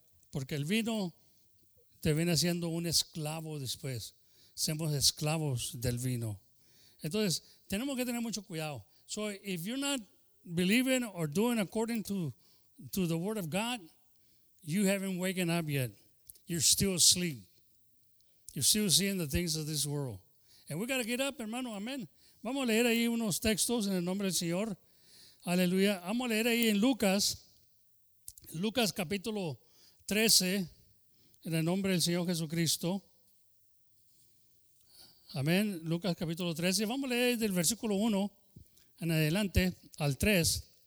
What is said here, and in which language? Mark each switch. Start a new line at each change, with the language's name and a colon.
Spanish: Porque el vino te viene siendo un esclavo después. Somos esclavos del vino. Entonces, tenemos que tener mucho cuidado.
English: So, if you're not believing or doing according to the word of God, you haven't waken up yet. You're still asleep. You're still seeing the things of this world. And we got to get up, hermano. Amén.
Spanish: Vamos a leer ahí unos textos en el nombre del Señor. Aleluya. Vamos a leer ahí en Lucas capítulo 13, en el nombre del Señor Jesucristo. Amén. Lucas capítulo 13. Vamos a leer del versículo 1 en adelante al 3.